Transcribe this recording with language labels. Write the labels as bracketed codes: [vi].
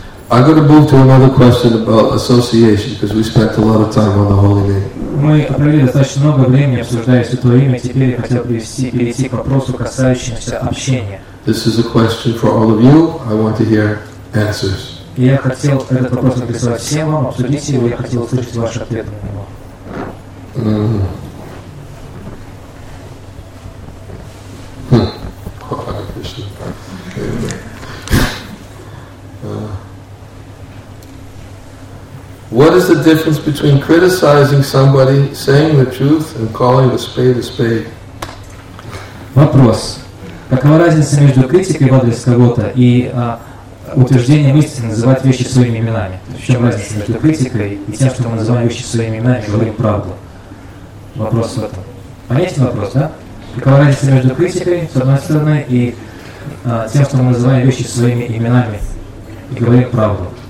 [en] I'm going to move to another question about association, because we spent a lot of time on the holy name. [ru] Мы провели достаточно много времени, обсуждая Святое имя, теперь я хотел перейти к вопросу, касающемуся общения. [en] This is a question for all of you. I want to hear answers. [ru] Я хотел этот вопрос написать всем вам, обсудить его, я хотел услышать ваши ответы на него. [en] What is the difference between criticizing somebody, saying the truth, and calling a spade a spade? [ru] Вопрос. Какова разница между критикой в адрес кого-то и утверждением истины, называть вещи своими именами? В чем разница между критикой и тем, что мы называем вещи своими именами и говорим правду? Вопрос в этом. Понятен вопрос, да? Какова разница между критикой, с одной стороны, и тем, что мы называем вещи своими именами и говорим правду?